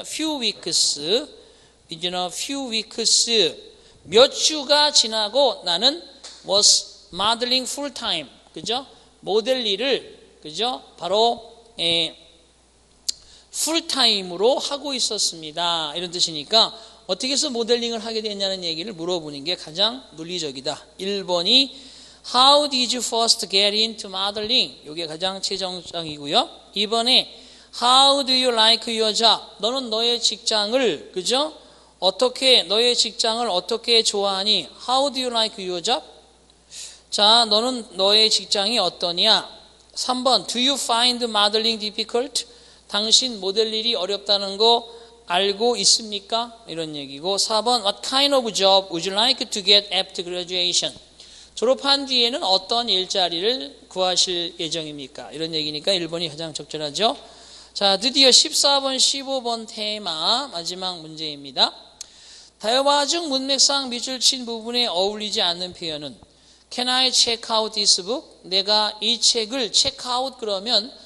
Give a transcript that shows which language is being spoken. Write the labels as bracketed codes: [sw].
[en] Few weeks, within a few weeks, [ko] 몇 주가 지나고 나는 [en] was modeling full time, [ko] 그죠? 모델 일을, 그죠? 바로 [en] full time [ko] 으로 하고 있었습니다. 이런 뜻이니까 어떻게 해서 모델링을 하게 됐냐는 얘기를 물어보는 게 가장 논리적이다. 1번이 [en] How did you first get into modeling? [ko] 이게 가장 최정상이고요. 2번에 [en] How do you like your job? [ko] 너는 너의 직장을, 그죠? 어떻게, 너의 직장을 어떻게 좋아하니? [en] How do you like your job? [ko] 자, 너는 너의 직장이 어떠냐? 3번, [en] Do you find modeling difficult? [ko] 당신 모델 일이 어렵다는 거 알고 있습니까? 이런 얘기고. 4번, [en] What kind of job would you like to get after graduation? [ko] 졸업한 뒤에는 어떤 일자리를 구하실 예정입니까? 이런 얘기니까 1번이 가장 적절하죠. 자, 드디어 14번, 15번 테마 마지막 문제입니다. 대화 중 문맥상 밑줄 친 부분에 어울리지 않는 표현은 [en] Can I check out this book? [ko] 내가 이 책을 [en] check out [ko] 그러면